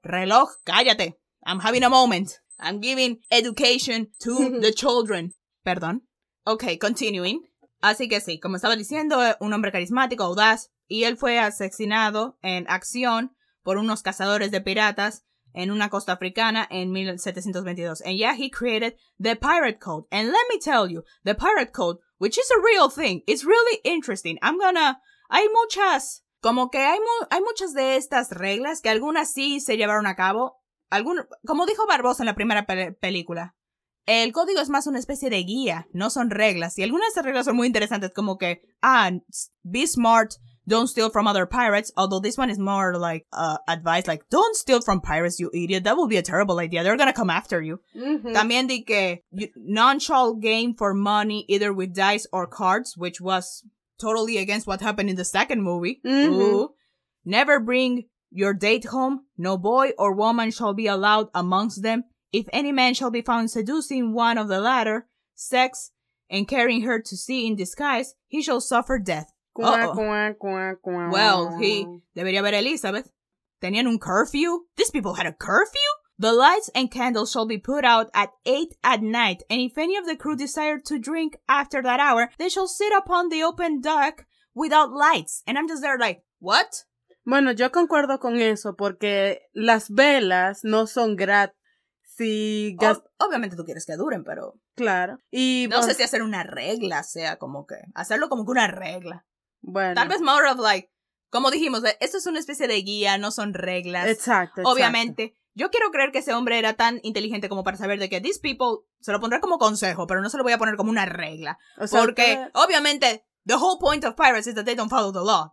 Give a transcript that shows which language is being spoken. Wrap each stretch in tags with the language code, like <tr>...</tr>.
<es>¡Reloj, cállate!</es> <en>I'm having a moment. I'm giving education to the children. Perdón. Ok, continuing.</en> <es>Así que sí, como estaba diciendo, un hombre carismático, audaz, y él fue asesinado en acción por unos cazadores de piratas en una costa africana en 1722.</es> <en>And yeah, he created the Pirate Code. And let me tell you, the Pirate Code, which is a real thing, is really interesting.</en> <es>Hay muchas, como que hay muchas de estas reglas que algunas sí se llevaron a cabo. Como dijo Barbosa en la primera película. El código es más una especie de guía, no son reglas. Y algunas de esas reglas son muy interesantes, como que,</es> <en>be smart, don't steal from other pirates. Although this one is more like advice, like, don't steal from pirates, you idiot. That would be a terrible idea. They're going to come after you. Mm-hmm.</en> <es>También dije,</es> <en>nonchalant game for money, either with dice or cards, which was totally against what happened in the second movie. Mm-hmm. Ooh. Never bring your date home. No boy or woman shall be allowed amongst them. If any man shall be found seducing one of the latter sex and carrying her to sea in disguise, he shall suffer death. Well, he debería ver a Elizabeth.</en> <es>¿Tenían un</es> <en>curfew? These people had a curfew? The lights and candles shall be put out at 8 at night, and if any of the crew desire to drink after that hour, they shall sit upon the open deck without lights. And I'm just there like, what?</en> <es>Bueno, yo concuerdo con eso, porque las velas no son gratis. Si obviamente tú quieres que duren, pero... Claro. Y no sé si hacer una regla sea como que... Hacerlo como que una regla. Bueno. Tal vez</es> <en>more of like...</en> <es>Como dijimos, esto es una especie de guía, no son reglas. Exacto. Obviamente. Yo quiero creer que ese hombre era tan inteligente como para saber de que</es> <en>these people...</en> <es>Se lo pondré como consejo, pero no se lo voy a poner como una regla. O sea, porque obviamente,</es> <en>the whole point of pirates is that they don't follow the law.</en>